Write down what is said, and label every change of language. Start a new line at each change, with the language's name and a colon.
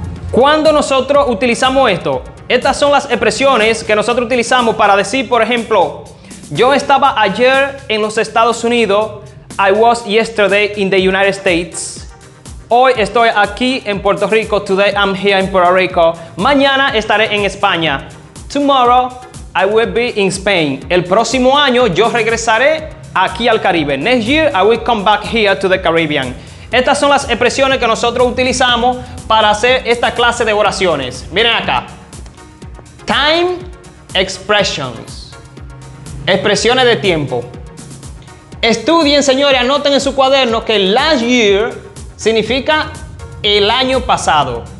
Spanish: ¿Cuándo nosotros utilizamos esto? Estas son las expresiones que nosotros utilizamos para decir, por ejemplo, yo estaba ayer en los Estados Unidos,
English: I was yesterday in the United States.
Spanish: Hoy estoy aquí en Puerto Rico,
English: today I'm here in Puerto Rico.
Spanish: Mañana estaré en España.
English: Tomorrow I will be in Spain.
Spanish: El próximo año yo regresaré aquí al Caribe.
English: Next year I will come back here to the Caribbean.
Spanish: Estas son las expresiones que nosotros utilizamos para hacer esta clase de oraciones. Miren acá.
English: Time expressions.
Spanish: Expresiones de tiempo. Estudien, señores, anoten en su cuaderno que last year significa el año pasado.